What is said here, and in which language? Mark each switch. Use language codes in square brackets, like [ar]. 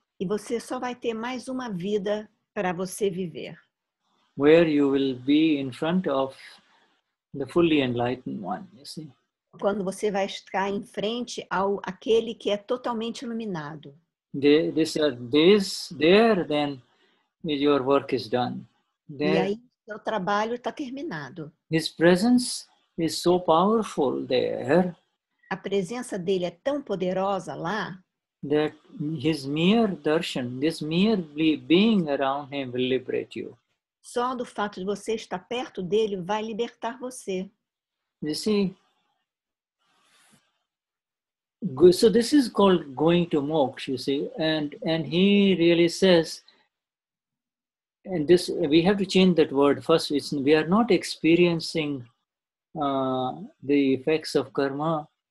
[pt] E você só vai ter mais uma vida para você viver. [en] Where you will be in front of the fully enlightened one, you see. [pt] Quando você vai estar em frente ao aquele que é totalmente iluminado. [en] Then your work is done. [pt] There, e aí, seu trabalho está terminado. [en] His presence is so powerful there. [pt] A presença dele é tão poderosa lá. [en] That his mere darshan, this mere being around him will liberate you. [pt] Só do fato de você estar perto dele vai libertar você. [en] You see? So this is called going to moksha, you see, and he really says, and this, we have to change that word first. It's, we are not experiencing the effects of karma.